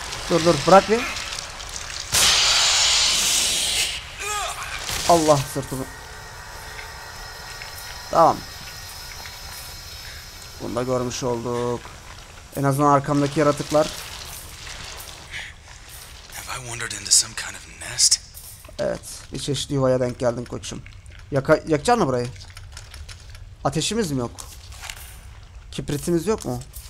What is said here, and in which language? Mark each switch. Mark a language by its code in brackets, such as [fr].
[tr] Dur dur bırak bir. Allah sırtımı. Tamam. Bunu da görmüş olduk. En azından arkamdaki yaratıklar. [en] Have I wandered into some kind of nest? [tr] Evet, bir çeşit yuvaya denk geldin koçum. Yakacak mı burayı? Ateşimiz mi yok? Kibritimiz yok mu?